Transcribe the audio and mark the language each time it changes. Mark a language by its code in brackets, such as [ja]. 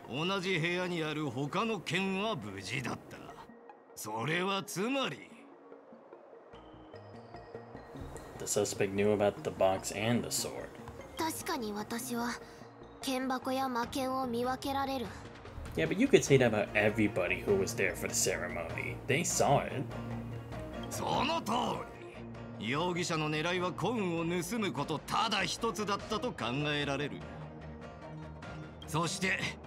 [ja] コウンが入ってた剣箱が開けられ、剣は消えていた。だが、同じ部屋にある他の剣は無事だった。それはつまり… [en] The suspect knew about the box and the sword. [ja] 確かに私は剣箱や魔剣を見分けられる。 [en] Yeah, but you could say that about everybody who was there for the ceremony. They saw it. [ja] その通り。容疑者の狙いはコウンを盗むことただ一つだったと考えられる。そして…